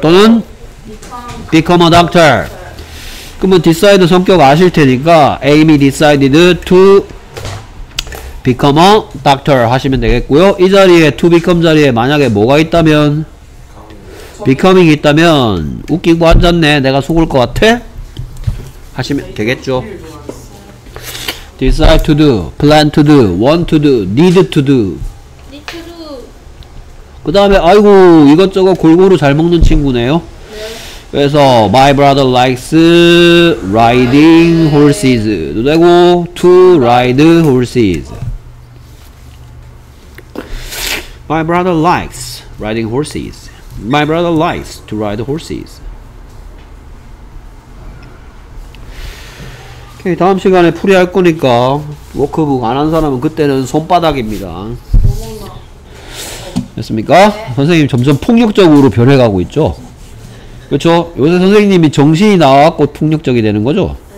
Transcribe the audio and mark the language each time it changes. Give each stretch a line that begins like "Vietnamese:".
Korean: 또는
English: become a doctor.
Korean: 그러면
English: decide
Korean: 성격 아실 테니까
English: Amy decided to become a doctor
Korean: 하시면 되겠고요. 이 자리에 to become 자리에 만약에 뭐가 있다면 becoming 있다면 웃기고 앉았네 내가 속을 것 같아 하시면 되겠죠.
English: decide to do, plan to do, want to do, need to do.
Korean: 그 다음에 아이고 이것저것 골고루 잘 먹는 친구네요. 그래서
English: my brother likes riding horses
Korean: 도 되고
English: to ride horses. My brother likes riding horses. My brother likes to ride horses.
Korean: Okay, 다음 시간에 풀이할 거니까 워크북 안 한 사람은 그때는 손바닥입니다. 됐습니까? 네. 선생님 점점 폭력적으로 변해가고 있죠? 그렇죠? 요새 선생님이 정신이 나갖고 폭력적이 되는 거죠?